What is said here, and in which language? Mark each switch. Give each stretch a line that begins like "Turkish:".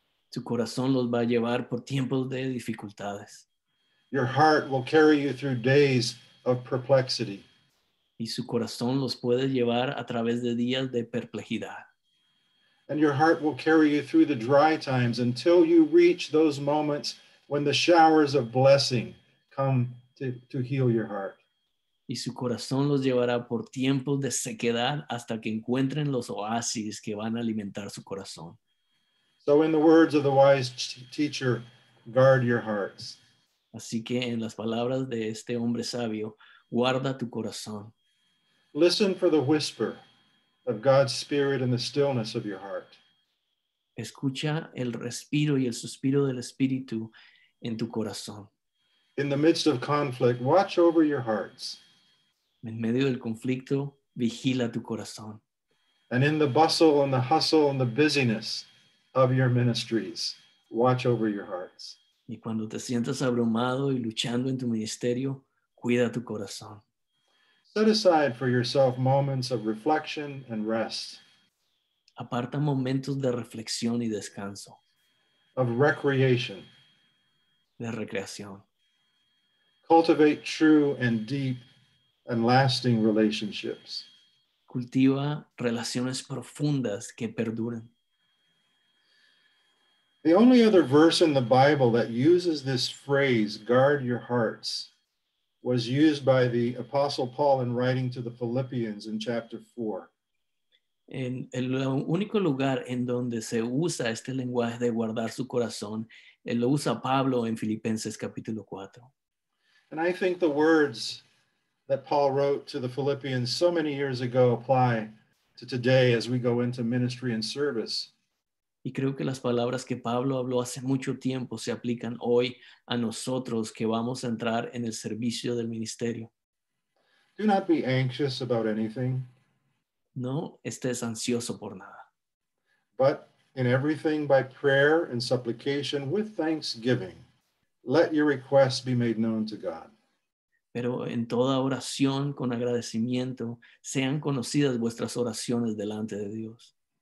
Spanish: Su corazón los va a llevar por tiempos de dificultades.
English: Your heart will carry you through days of perplexity.
Spanish: Y su corazón los puede llevar a través de días de perplejidad.
English: And your heart will carry you through the dry times until you reach those moments when the showers of blessing come to heal your heart.
Spanish: Y su corazón los llevará por tiempos de sequedad hasta que encuentren los oasis que van a alimentar su corazón.
English: So in the words of the wise teacher, guard your hearts.
Spanish: Así que en las palabras de este hombre sabio, guarda tu corazón.
English: Listen for the whisper of God's Spirit in the stillness of your heart.
Spanish: Escucha el respiro y el suspiro del espíritu en tu corazón.
English: In the midst of conflict, watch over your hearts.
Spanish: En medio del conflicto, vigila tu corazón.
English: And in the bustle and the hustle and the busyness of your ministries, watch over your hearts.
Spanish: Y cuando te sientas abrumado y luchando en tu ministerio, cuida tu corazón.
English: Set aside for yourself moments of reflection and rest.
Spanish: Aparta momentos de reflexión y descanso.
English: Of recreation.
Spanish: De recreación.
English: Cultivate true and deep and lasting relationships.
Spanish: Cultiva relaciones profundas que perduren.
English: The only other verse in the Bible that uses this phrase, guard your hearts, was used by the Apostle Paul in writing to the Philippians in chapter 4.
Spanish: En el único lugar en donde se usa este lenguaje de guardar su corazón, él lo usa Pablo en Filipenses capítulo 4.
English: And I think the words that Paul wrote to the Philippians so many years ago apply to today as we go into ministry and service.
Spanish: Y creo que las palabras que Pablo habló hace mucho tiempo se aplican hoy a nosotros que vamos a entrar en el servicio del ministerio.
English: Do not be anxious about anything.
Spanish: No estés ansioso por nada.
English: But in everything by prayer and supplication with thanksgiving, let your requests be made known to God.
Spanish: Pero en toda oración con agradecimiento, sean conocidas vuestras oraciones delante de Dios.